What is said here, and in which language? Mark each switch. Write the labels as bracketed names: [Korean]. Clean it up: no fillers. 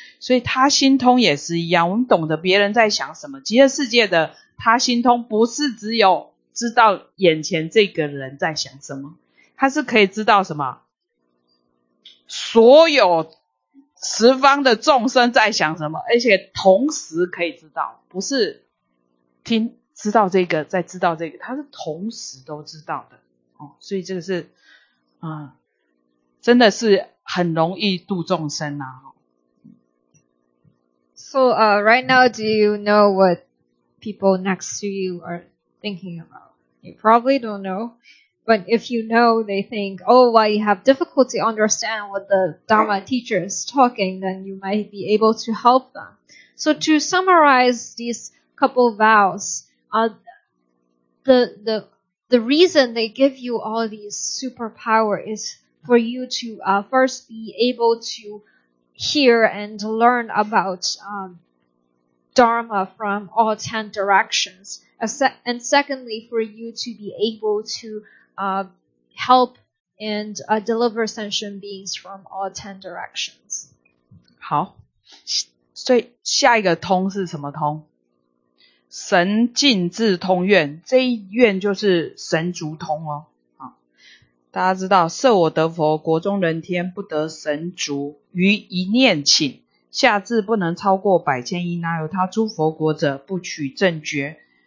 [Chinese] 所以他心通也是一样，我们懂得别人在想什么。极乐世界的他心通不是只有知道眼前这个人在想什么，他是可以知道什么，所有十方的众生在想什么，而且同时可以知道，不是听知道这个再知道这个，他是同时都知道的。所以这个是真的是很容易度众生啊。 [English] So, right now, do you know what people next to you are thinking about? You probably don't know. But if you know, they think, oh, well, you have difficulty understanding what the Dharma teacher is talking, then you might be able to help them. So to summarize these couple vows, the reason they give you all these superpower is for you to first be able to hear and learn about Dharma from all 10 directions. And secondly, for you to be able to help and deliver sentient beings from all 10 directions. [Chinese] 好，所以下一个通是什么通？神尽智通愿，这一愿就是神足通哦。大家知道，设我得佛，国中人天不得神足，于一念请下至不能超过百千亿那由他诸佛国者，不取正觉。